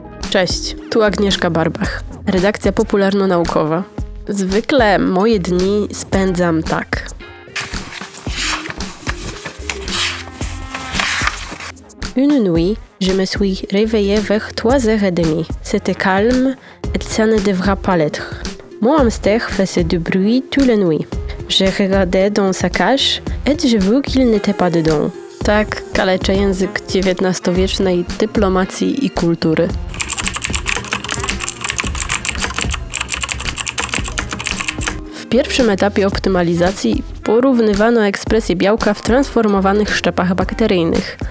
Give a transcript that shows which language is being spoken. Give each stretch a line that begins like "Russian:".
Polish: Cześć, tu Agnieszka Barbach, redakcja popularno-naukowa. Zwykle moje dni spędzam tak.
French: Une nuit, je me suis réveillé vers 3h30. C'était calme et ça ne devrait pas l'être. Mon hamster faisait du bruit toute la nuit. Je regardais dans sa cage et j'ai vu qu'il n'était pas dedans.
Polish: Tak, kalecze język XIX-wiecznej dyplomacji i kultury. W pierwszym etapie optymalizacji porównywano ekspresję białka w transformowanych szczepach bakteryjnych.